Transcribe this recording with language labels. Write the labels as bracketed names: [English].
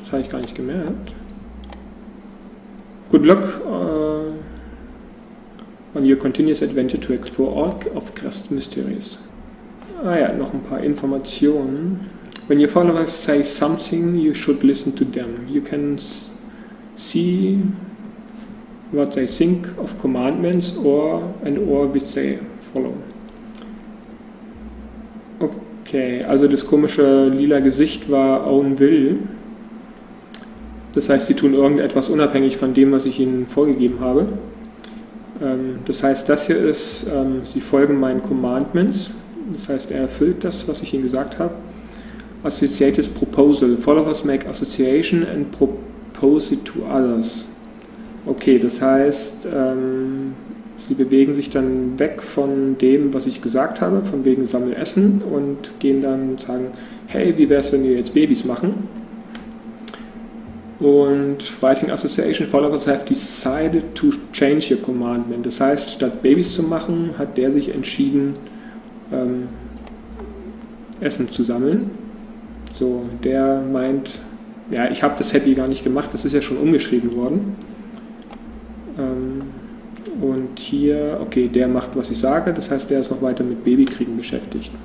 [German] Das habe ich gar nicht gemerkt. [English] Good luck. on your continuous adventure to explore all of Crest Mysteries. [German] Ah ja, noch ein paar Informationen. [English] When your followers say something, you should listen to them. You can see what they think of commandments or and or which they follow. [German] Okay, also das komische lila Gesicht war Own Will. Das heißt, sie tun irgendetwas unabhängig von dem, was ich ihnen vorgegeben habe. Das heißt, das hier ist, sie folgen meinen Commandments. Das heißt, er erfüllt das, was ich ihnen gesagt habe. [English] Associated Proposal. Followers make association and propose it to others. [German] Okay, das heißt, sie bewegen sich dann weg von dem, was ich gesagt habe, von wegen Sammelessen, und gehen dann und sagen, hey, wie wäre es, wenn wir jetzt Babys machen? [English] Und Writing Association Followers have decided to change your commandment. [German] Das heißt, statt Babys zu machen, hat der sich entschieden, Essen zu sammeln. So, der meint, ja, ich habe das Happy gar nicht gemacht, das ist ja schon umgeschrieben worden. Und hier, okay, der macht, was ich sage, das heißt, der ist noch weiter mit Babykriegen beschäftigt.